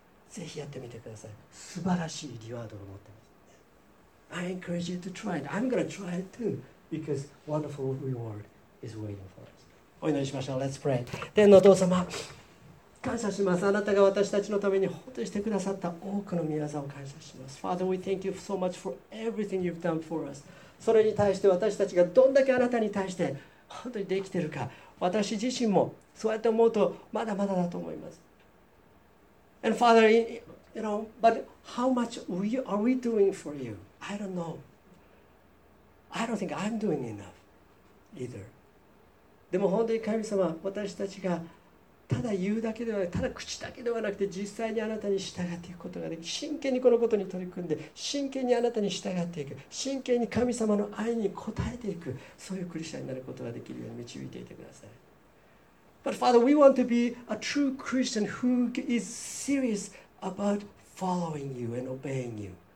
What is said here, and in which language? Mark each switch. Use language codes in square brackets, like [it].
[ja] ぜひやってみてください。素晴らしいリワードを持ってます。 [en] I encourage you to try it. I'm going to try it too. Because wonderful reward is waiting for us. [ja] お祈りしましょう。 [en] Let's pray. [ja] 天のお父様、感謝します。あなたが私たちのために本当にしてくださった多くの御業を感謝します。 [en] Father, we thank you so much for everything you've done for us. [ja] それに対して私たちがどんだけあなたに対して本当にできているか、私自身もそうやって思うとまだまだだと思います。 [en] And Father, you know, but how much we are we doing for you? I don't know. I don't think I'm doing enough either. [ja] でも本当に神様、私たちがただ言うだけではなくて、ただ口だけではなくて、実際にあなたに従っていくことができ、真剣にこのことに取り組んで、真剣にあなたに従っていく、真剣に神様の愛に応えていく、そういうクリスチャンになることができるように導いていてください。 [en] But Father, we want to be a true Christian who is serious about following you and obeying you.